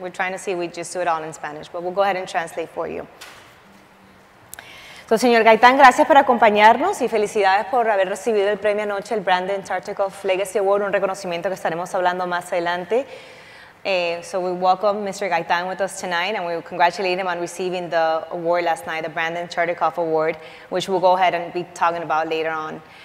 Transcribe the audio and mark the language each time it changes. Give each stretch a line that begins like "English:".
English: We're trying to see if we just do it all in Spanish, but we'll go ahead and translate for you. So,
Spanish: señor Gaitán, gracias por acompañarnos y felicidades por haber recibido el premio anoche, el Brand Antarctica Legacy Award, un reconocimiento que estaremos hablando más adelante.
English: So we welcome Mr. Gaitán with us tonight, and we congratulate him on receiving the award last night, the Brandon Chartikoff Award, which we'll go ahead and be talking about later on.